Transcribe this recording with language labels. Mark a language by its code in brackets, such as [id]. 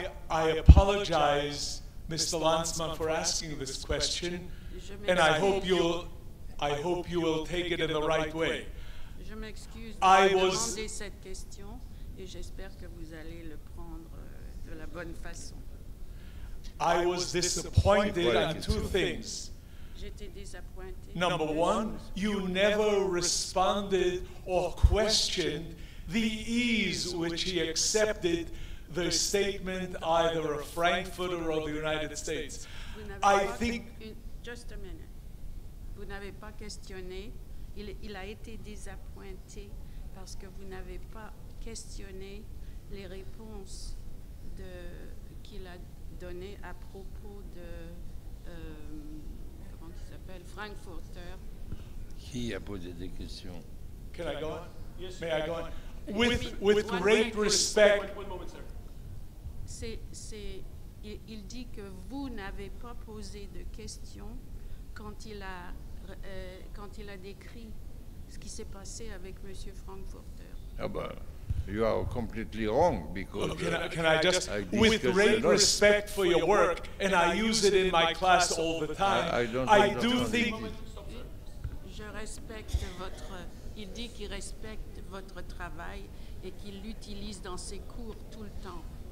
[en] I apologize, Mr. Lanzmann, for asking this question, and I hope you will take it in the right way. [fr] Je m'excuse de vous demander cette question, et j'espère que vous allez le prendre de la bonne façon. [en] I was disappointed on two things. [fr] J'étais désappointé. [en] Number one, you never responded or questioned the ease which he accepted the statement either of Frankfurter or the United States. I think... Just a minute. [fr] Vous n'avez pas questionné. Il a été désappointé parce que vous n'avez pas questionné les réponses qu'il a données à propos de... comment il s'appelle? Frankfurter. Qui a posé des questions? [en] Can I go on? Yes, may I go on? With great respect... One moment, sir. [fr] Il dit que vous n'avez pas posé de questions quand il a décrit ce qui s'est passé avec M. Frankfurter. Ah ben, [en] You are completely wrong, because... Can I just, with great respect for your work, and I use it in my class all the time, I do think... [fr] Je respecte votre... Il dit qu'il respecte votre travail et qu'il l'utilise dans ses cours tout le temps.